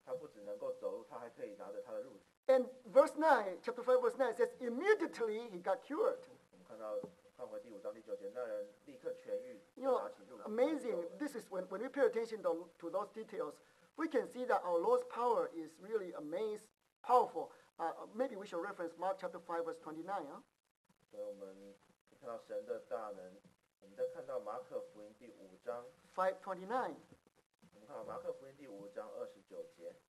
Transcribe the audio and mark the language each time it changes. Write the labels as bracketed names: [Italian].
[Chinese] 但是在这里，他这个人不止能够走路，他还可以拿着他的褥子。 [English] And verse 9, chapter 5, verse 9 says, immediately he got cured. [Chinese] 我们看到，看回第五章第九节，那人立刻痊愈，拿起褥子。 [English] Amazing! This is when we pay attention to those details, we can see that our Lord's power is really amazing, powerful. Maybe we should reference Mark chapter 5, verse 29. [Chinese] 所以我们。看到神的大能，我们再看到马可福音第五章 5:29，我们看到马可福音第五章29节